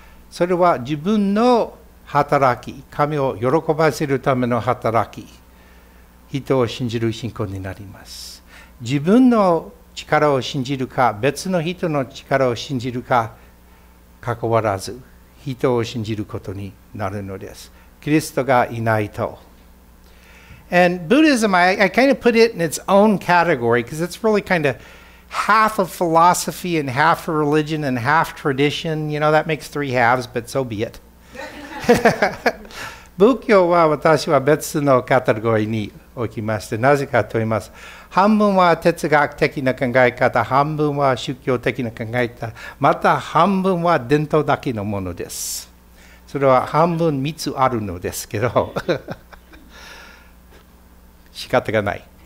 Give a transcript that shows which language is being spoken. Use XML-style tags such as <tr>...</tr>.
<ja>それは自分の働き、神を喜ばせるための働き、人を信じる信仰になります。自分の力を信じるか、別の人の力を信じるか、関わらず人を信じることになるのです。キリストがいないと。</ja> <en>And Buddhism, I kind of put it in its own category because it's really kind of half of philosophy and half of religion and half tradition. You know, that makes three halves, but so be it.</en> <ja>仏教は私は別のカテゴリーに置きまして、なぜかと言います。半分は哲学的な考え方、半分は宗教的な考え方、また半分は伝統だけのものです。それは半分3つあるのですけど、仕方がない。</ja>